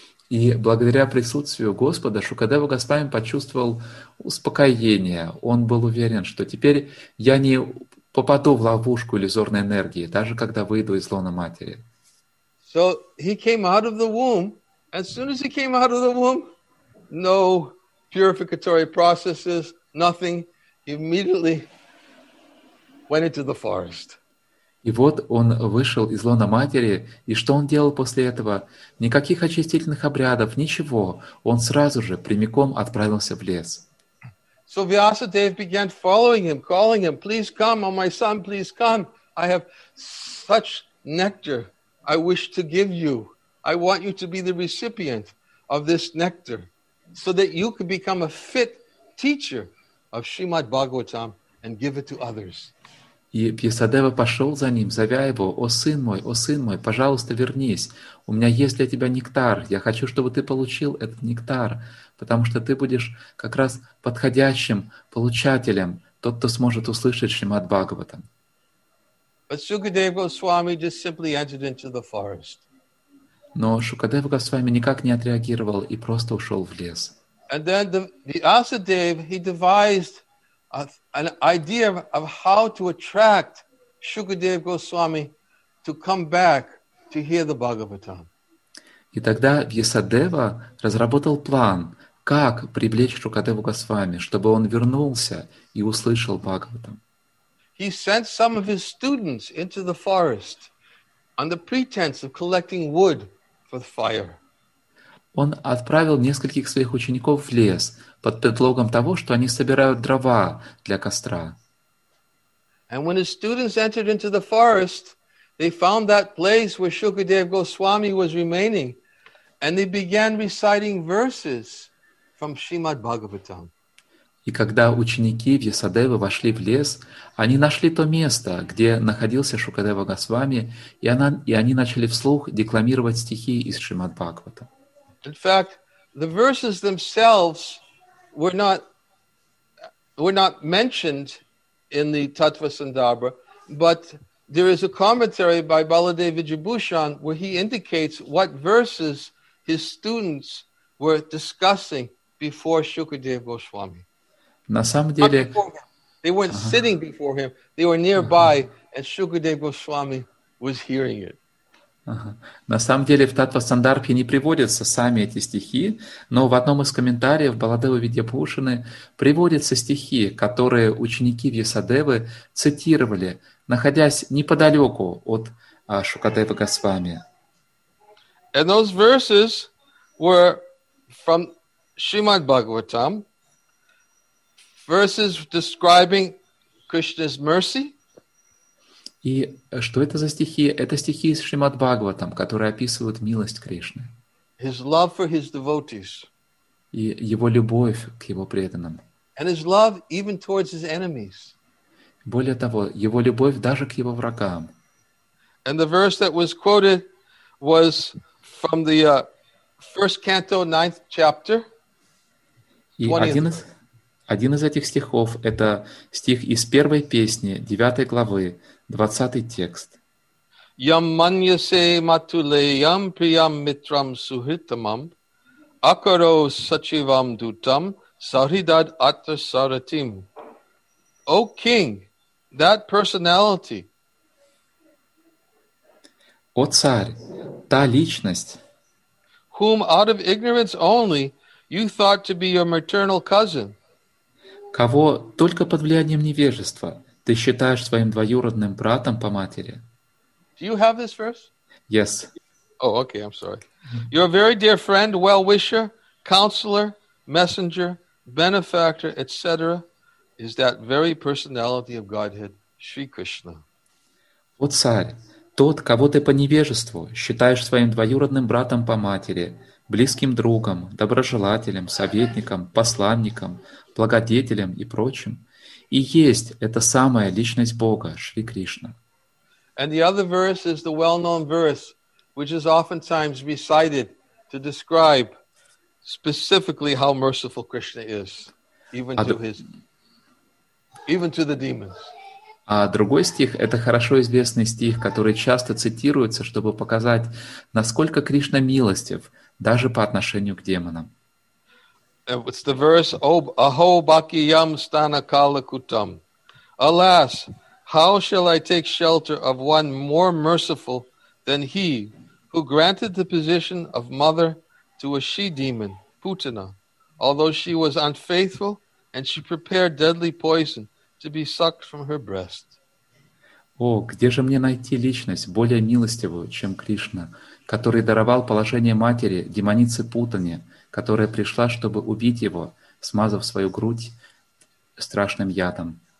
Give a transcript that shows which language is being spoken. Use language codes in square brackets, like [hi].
[ru] И благодаря присутствию Господа Шукадева Госвами почувствовал успокоение. Он был уверен, что теперь я не попаду в ловушку иллюзорной энергии, даже когда выйду из лона матери. [en] So he came out of the womb. As soon as he came out of the womb, no purificatory processes, nothing. He immediately went into the forest. [ru] И вот он вышел из лона матери, и что он делал после этого? Никаких очистительных обрядов, ничего. Он сразу же прямиком отправился в лес. [en] So Vyasadeva began following him, calling him, "Please come, oh my son, please come. I have such nectar I wish to give you. I want you to be the recipient of this nectar so that you could become a fit teacher of Srimad Bhagavatam and give it to others. [ru] И Пьясадева пошел за ним, зовя его: о сын мой, пожалуйста, вернись. У меня есть для тебя нектар. Я хочу, чтобы ты получил этот нектар, потому что ты будешь как раз подходящим получателем, тот, кто сможет услышать Шримад Бхагаватам. [en] But Sukadeva Goswami just simply entered into the forest. [ru] Но Шукадева Госвами никак не отреагировал и просто ушел в лес. [en] And then the Asadev, he devised an idea of how to attract Shukadev Goswami to come back to hear the Bhagavatam. [ru] И тогда Вьясадева разработал план, как привлечь Шукадеву Госвами, чтобы он вернулся и услышал Бхагаватам. [en] He sent some of his students into the forest on the pretense of collecting wood for the fire. [ru] Он отправил нескольких своих учеников в лес под предлогом того, что они собирают дрова для костра. [en] And when his students entered into the forest, they found that place where Shukadev Goswami was remaining, and they began reciting verses from Srimad Bhagavatam. [ru] И когда ученики Вьясадевы вошли в лес, они нашли то место, где находился Шукадева Госвами, и они начали вслух декламировать стихи из Шримад Бхагавата. [en] In fact, the verses themselves were not mentioned in the Tattva Sandarbha, but there is a commentary by Baladev Vijayabhushan where he indicates what verses his students were discussing before Shukadev Goswami. [ru] На самом деле, [en] they weren't sitting before him, they were nearby, and Shukadev Goswami was hearing it. [ru] На самом деле в Таттва Сандарбхе не приводятся сами эти стихи, но в одном из комментариев Баладева Видьябхушаны приводятся стихи, которые ученики Вьясадевы цитировали, находясь неподалеку от Шукадевы Госвами. [en] And those verses were from Srimad Bhagavatam, verses describing Krishna's mercy. [ru] И что это за стихи? Это стихи из Шримад Бхагаватам, которые описывают милость Кришны. [en] His love for his devotees. [ru] И его любовь к его преданным. [en] And his love even towards his enemies. [ru] Более того, его любовь даже к его врагам. [en] And the verse that was quoted was from the first canto, ninth chapter. 20th. [ru] Один из этих стихов — это стих из первой песни, 9 главы, 20 текст. [sa] Yam manyase matuleyam priyam mitram suhritamam akaro sachivam dutam sahridad atrasaratim. [en] O king, that personality. [ru] О царь, та личность, [en] whom out of ignorance only you thought to be your maternal cousin, [ru] кого только под влиянием невежества ты считаешь своим двоюродным братом по матери. [en] Do you have this verse? Yes. Oh, okay, I'm sorry. Your very dear friend, well-wisher, counselor, messenger, benefactor, etc. is that very personality of Godhead, Shri Krishna. [ru] О царь, тот, кого ты по невежеству считаешь своим двоюродным братом по матери, близким другом, доброжелателем, советником, посланником, благодетелем и прочим, и есть эта самая личность Бога, Шри Кришна. [en] And the other verse is the well-known verse, which is oftentimes recited to describe specifically how merciful Krishna is, even to the demons. [ru] А другой стих — это хорошо известный стих, который часто цитируется, чтобы показать, насколько Кришна милостив даже по отношению к демонам. [en] It's the verse, [sa] Aho bakiyam stana kalakutam. [en] Alas, how shall I take shelter of one more merciful than he who granted the position of mother to a she-demon, Putana, although she was unfaithful and she prepared deadly poison to be sucked from her breast. [ru] О, где же мне найти личность более милостивую, чем Кришна, который даровал положение матери демонице Путане, которая пришла, чтобы убить его, смазав свою грудь страшным ядом?